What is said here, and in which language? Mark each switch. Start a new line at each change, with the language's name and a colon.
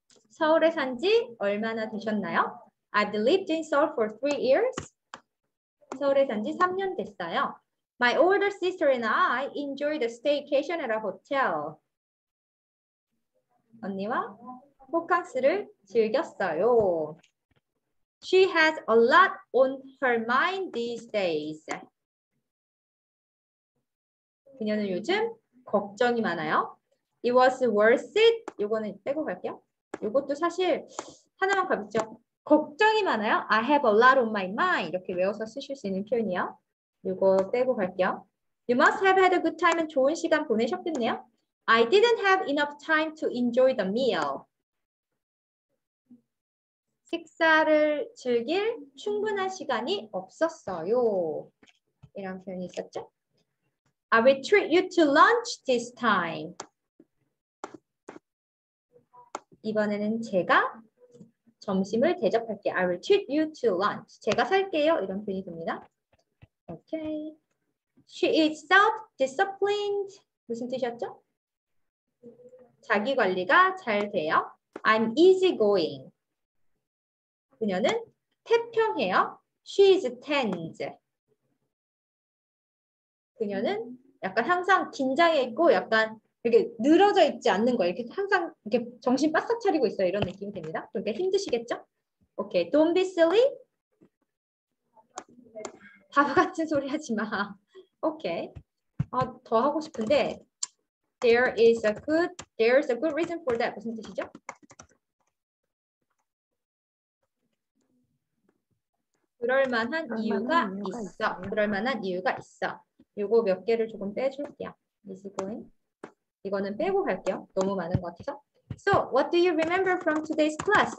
Korean: 서울에 산 지 얼마나 되셨나요?
English: I've lived in Seoul for 3 years.
Korean: 서울에 산 지 3년 됐어요.
English: My older sister and I enjoyed a staycation at a hotel.
Korean: 언니와 호캉스를 즐겼어요.
English: She has a lot on her mind these days.
Korean: 그녀는 요즘 걱정이 많아요.
English: It was worth it.
Korean: 요거는 빼고 갈게요. 요것도 사실 하나만 가볼게요. 걱정이 많아요.
English: I have a lot on my mind.
Korean: 이렇게 외워서 쓰실 수 있는 표현이요. 요거 빼고 갈게요.
English: You must have had a good time.
Korean: 좋은 시간 보내셨겠네요.
English: I didn't have enough time to enjoy the meal.
Korean: 식사를 즐길 충분한 시간이 없었어요. 이런 표현이 있었죠.
English: I will treat you to lunch this time.
Korean: 이번에는 제가 점심을 대접할게요.
English: I will treat you to lunch.
Korean: 제가 살게요. 이런 표현이 됩니다.
English: Okay. She is self-disciplined.
Korean: 무슨 뜻이었죠? 자기 관리가 잘 돼요.
English: I'm easygoing.
Korean: 그녀는 태평해요.
English: She is tense.
Korean: 그녀는 약간 항상 긴장해 있고 약간 이렇게 늘어져 있지 않는 거예요. 이렇게 항상 이렇게 정신 바싹 차리고 있어요. 이런 느낌이 됩니다. 그러니까 힘드시겠죠? 오케이.
English: Don't be silly.
Korean: 바보 같은 소리 하지 마. 오케이. 아, 더 하고 싶은데
English: there is a good reason for that.
Korean: 무슨 뜻이죠? 그럴 만한 이유가 있어. 그럴 만한 이유가 있어. 요거 몇 개를 조금 빼줄게요.
English: Is going.
Korean: 이거는 빼고 갈게요. 너무 많은 것 같아서.
English: So, what do you remember from today's class?